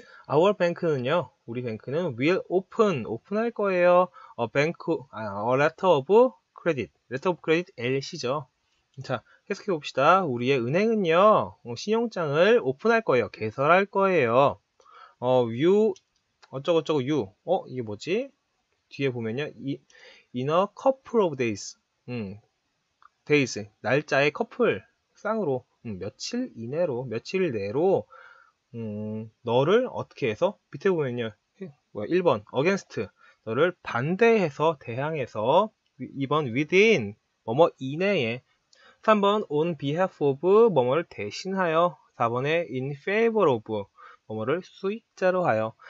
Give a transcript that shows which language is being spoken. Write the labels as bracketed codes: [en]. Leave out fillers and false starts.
[en] Our bank [ko] 는요, 우리 뱅크는 [en] will open, [ko] 오픈할 거예요. [en] A letter of credit. Letter of credit, LC죠. [ko] 자, 해석해 봅시다. 우리의 은행은요, 신용장을 오픈할 거예요. 개설할 거예요. You, 어쩌고저쩌고 you. 이게 뭐지? 뒤에 보면요, [en] in a couple of days. [ko] Days, 날짜의 커플, 쌍으로, 며칠 이내로, 며칠 내로, 너를 어떻게 해서? 밑에 보면요, 1번, against, 너를 반대해서, 대항해서, 2번, within, 뭐뭐 이내에, 3번, [en] on behalf of, [ko] 뭐뭐를 대신하여, 4번에 [en] in favor of, [ko] 뭐뭐를 수익자로 하여.